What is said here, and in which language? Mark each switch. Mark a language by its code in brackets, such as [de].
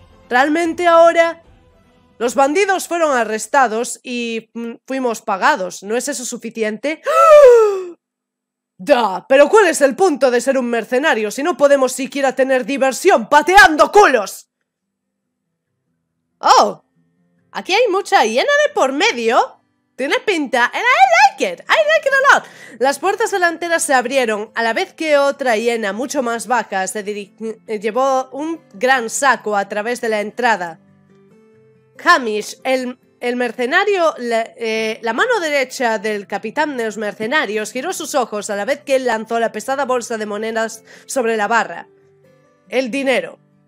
[es] ¿Realmente ahora? Los bandidos fueron arrestados y fuimos pagados, ¿no es eso suficiente? ¡Da! ¿Pero cuál es el punto de ser un mercenario si no podemos siquiera tener diversión pateando culos? ¡Oh! ¿Aquí hay mucha hiena de por medio? Tiene pinta, [en] and I like it a lot. [es] Las puertas delanteras se abrieron, a la vez que otra hiena mucho más baja se llevó un gran saco a través de la entrada. Hamish, el mercenario, la mano derecha del capitán de los mercenarios, giró sus ojos a la vez que él lanzó la pesada bolsa de monedas sobre la barra. El dinero.